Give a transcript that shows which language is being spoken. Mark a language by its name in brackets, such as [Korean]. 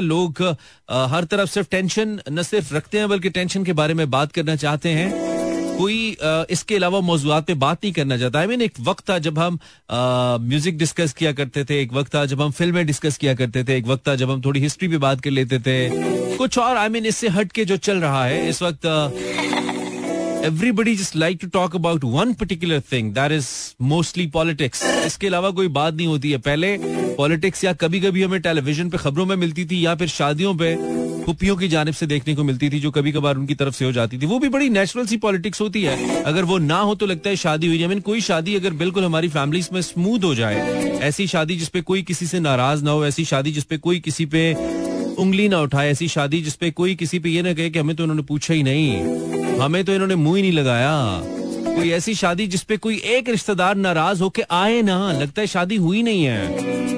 [Hindi] लोग हर तरफ सिर्फ टेंशन न सिर्फ रखते हैं, बल्कि टेंशन के बारे में बात करना चाहते हैं. कोई इसके अलावा मौजूदात पे बात नहीं करना चाहता. आई मीन, एक वक्त था जब हम म्यूजिक डिस्कस किया करते थे, एक वक्त था जब हम फिल्में डिस्कस किया करते थे, एक वक्त था जब हम थोड़ी हिस्ट्री पे बात कर लेते थे, कुछ और. [English] I mean, [Hindi] इससे हटके जो चल रहा है इस वक्त, [English] Everybody just like to talk about one particular thing, that is mostly politics. [Hindi] इसके अलावा कोई बात नहीं होती है. पहले politics या कभी कभी हमें television पे खबरों में मिलती थी, या फिर शादियों पे पुपियों की जानिब से देखने को मिलती थी, जो कभी कभार उनकी तरफ से हो जाती थी. वो भी बड़ी नेचुरल सी पॉलिटिक्स होती है. अगर वो ना हो तो लगता है शादी हुई. मीन, कोई शादी अगर बिल्कुल हमारी फैमिलीज में स्मूथ हो जाए, ऐसी शादी जिसपे कोई किसी से नाराज ना हो, ऐसी शादी जिसपे कोई किसी पे उंगली ना उठाए, ऐसी शादी जिसपे कोई किसी पे ये ना कहे कि हमें तो उन्होंने पूछा ही नहीं, हमें तो इन्होंने मुंह ही नहीं लगाया, कोई ऐसी शादी जिसपे कोई एक रिश्तेदार नाराज होके आए ना, लगता है शादी हुई नहीं है.